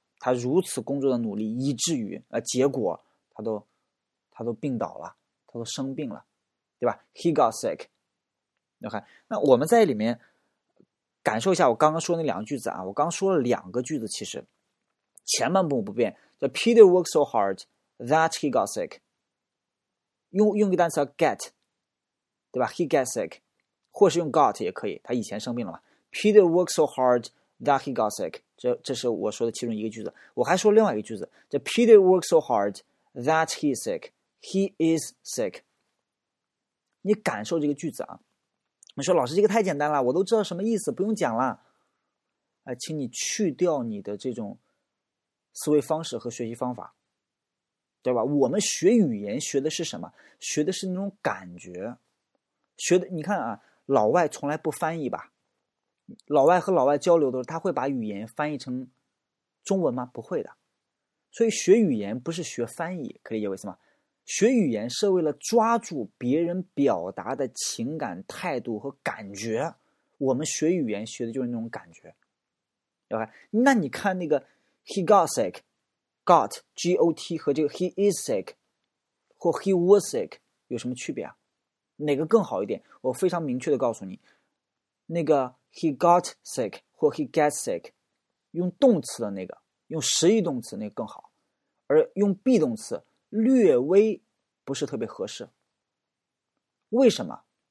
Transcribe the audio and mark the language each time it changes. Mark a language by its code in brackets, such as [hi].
[zh] 他如此工作的努力，以至于结果他都病倒了，他都生病了，对吧 ？ [en] He got sick。 [zh] OK， 那我们在里面感受一下我刚刚说那两个句子啊。我刚说了两个句子，其实前半部不变，叫 [en] Peter worked so hard that he got sick。 [zh] 用个单词 get， 对吧 [en] ？He got sick， [zh] 或是用 got 也可以，他以前生病了嘛 [en] ？Peter worked so hard that he got sick。 [zh] 这是我说的其中一个句子。我还说另外一个句子，叫 [en] Peter worked so hard that he is sick。 He is sick。 [zh] 你感受这个句子啊，你说老师这个太简单了，我都知道什么意思，不用讲了，请你去掉你的这种思维方式和学习方法，对吧？我们学语言学的是什么？学的是那种感觉，学的你看啊，老外从来不翻译吧，老外和老外交流的时候，他会把语言翻译成中文吗？不会的。所以学语言不是学翻译，可以理解为什么学语言是为了抓住别人表达的情感态度和感觉，我们学语言学的就是那种感觉。 OK， 那你看那个 [en] he got sick， [zh] got G O T 和这个 he is sick 或 he was sick 有什么区别啊？哪个更好一点，我非常明确的告诉你，那个 [en] he got sick [zh] 或 he gets sick， 用动词的那个，用实义动词那个更好，而用 be 动词略微不是特别合适。为什么？